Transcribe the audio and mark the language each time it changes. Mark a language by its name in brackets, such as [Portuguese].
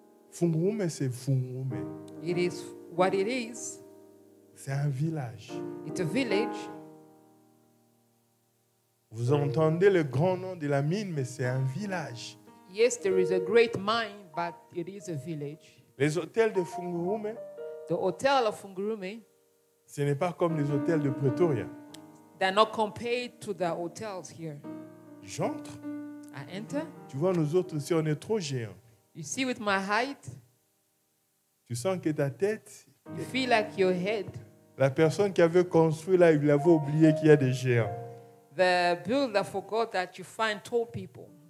[French] Fungurume, c'est Fungurume. [English] It is what it is. [French] C'est un village. [English] It's a village. [French] Vous entendez le grand nom de la mine, mais c'est un village. [English] Yes, there is a great mine, but it is a village. [French] Les hôtels de Fungurume. [English] The hotel of Fungurume. [French] Ce n'est pas comme les hôtels de Pretoria. [English] They're not compared to the hotels here. [French] J'entre. [English] I enter. [French] Tu vois, nous autres ici, on est trop géants. [English] You see with my height. [French] Tu sens que ta tête. [English] You feel like your head. [French] La personne qui avait construit là, il avait oublié qu'il y a des géants. [English] The builder forgot that you find tall people.